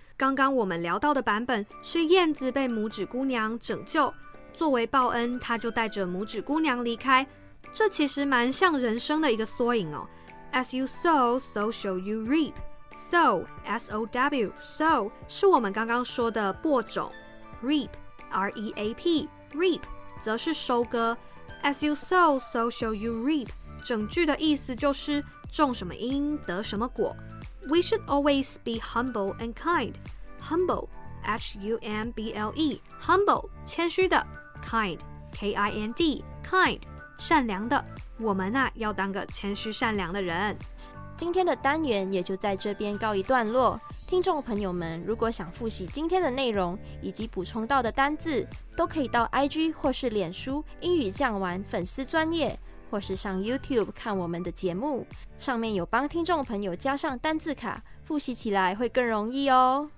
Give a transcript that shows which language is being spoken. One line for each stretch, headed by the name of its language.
Chinese: 刚刚我们聊到的版本是燕子被拇指姑娘拯救，作为报恩她就带着拇指姑娘离开，这其实蛮像人生的一个缩影哦。
English: As you sow, so shall you reap。
Chinese: So, S-O-W, so, 是我们刚刚说的播种。 Reap, R-E-A-P, reap, 则是收割。
English: As you sow, so shall you reap,
Chinese: 整句的意思就是种什么因得什么果。
English: We should always be humble and kind. Humble, H-U-M-B-L-E, humble, 谦虚的。 Kind, K-I-N-D, kind, 善良的。
Chinese: 我们啊，要当个谦虚善良的人。今天的单元也就在这边告一段落。听众朋友们，如果想复习今天的内容以及补充到的单字，都可以到 IG 或是脸书英语酱玩粉丝专页，或是上 YouTube 看我们的节目，上面有帮听众朋友加上单字卡，复习起来会更容易哦。